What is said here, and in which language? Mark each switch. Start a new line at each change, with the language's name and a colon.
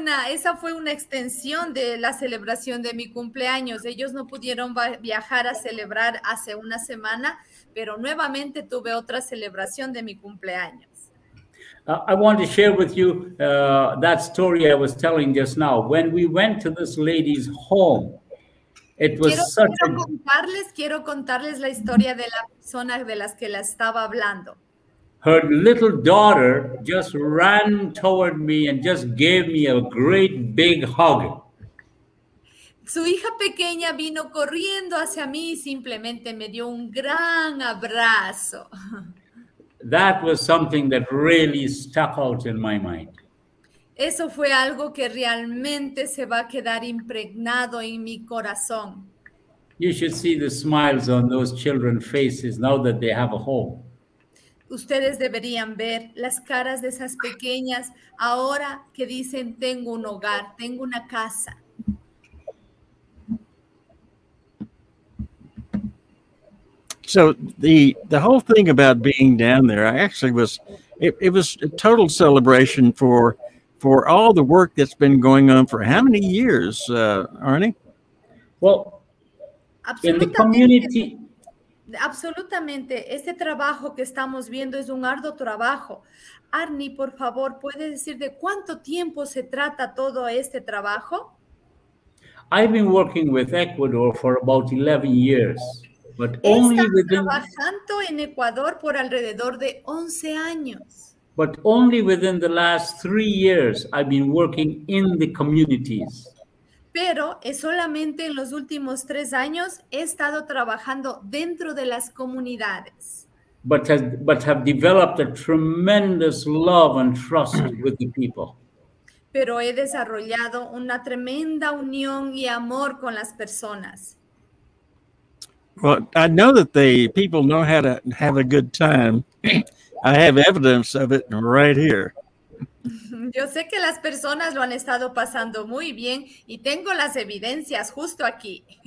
Spanish: Esa fue una extensión de la celebración de mi cumpleaños. Ellos no pudieron viajar a celebrar hace una semana, pero nuevamente tuve otra celebración de mi cumpleaños.
English: I want to share with you that story I was telling just now. When we went to this lady's home, it was
Spanish: quiero contarles la historia de la persona de las que la estaba hablando.
English: Her little daughter just ran toward me and just gave me a great big hug.
Spanish: Su hija pequeña vino corriendo hacia mí y simplemente me dio un gran abrazo.
English: That was something that really stuck out in my mind.
Spanish: Eso fue algo que realmente se va a quedar impregnado en mi corazón.
English: You should see the smiles on those children's faces now that they have a home.
Spanish: Ustedes deberían ver las caras de esas pequeñas ahora que dicen tengo un hogar, tengo una casa.
English: So the whole thing about being down there, I actually was, it was a total celebration for all the work that's been going on for how many years, Arnie? Well, in the community.
Spanish: Absolutamente. Este trabajo que estamos viendo es un arduo trabajo. Arnie, por favor, ¿puede decir de cuánto tiempo se trata todo este trabajo?
English: I've been working with Ecuador for about 11 years, but only within.
Spanish: Estamos trabajando en Ecuador por alrededor de 11 años.
English: But only within the last 3 years, I've been working in the communities.
Spanish: Pero es solamente en los últimos 3 años he estado trabajando dentro de las comunidades.
English: But have developed a tremendous love and trust with the people.
Spanish: Pero he desarrollado una tremenda unión y amor con las personas.
English: Well, I know that the people know how to have a good time. I have evidence of it right here.
Spanish: Yo sé que las personas lo han estado pasando muy bien y tengo las evidencias justo aquí.